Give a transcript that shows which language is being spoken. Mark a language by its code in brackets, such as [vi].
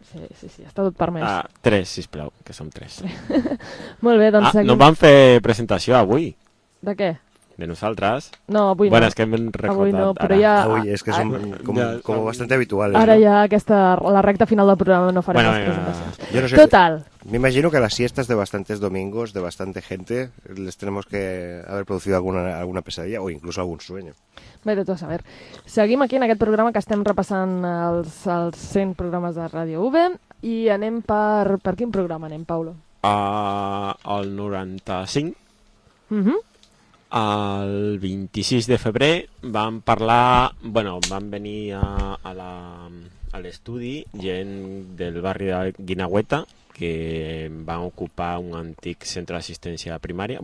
[ca] Sí, sí, sí, està tot permès. Tres, sisplau, que som tres. Molt bé, doncs seguim. No vam fer presentació avui. De què? de nosaltres. No, avui no. Bueno, és que m'he recordat no, ara. Ja, avui és que som com, ja, com bastant habituals. Ara no? Ja aquesta, la recta final del programa no farem les presentacions. Jo no sé, total. [es] M'imagino que les siestes de bastantes domingos, de bastante gente, les tenemos que haver producido alguna pesadilla o incluso algún sueño. [ca] Bé, de tu a saber. Seguim aquí en aquest programa que estem repassant els 100 programes de Ràdio UB i anem per quin programa anem, Paulo? El 95. El 26 de febrer vam parlar, bueno, vam venir a l'estudi gent del barri de Guinagüeta que van ocupar un antic centre d'assistència primària.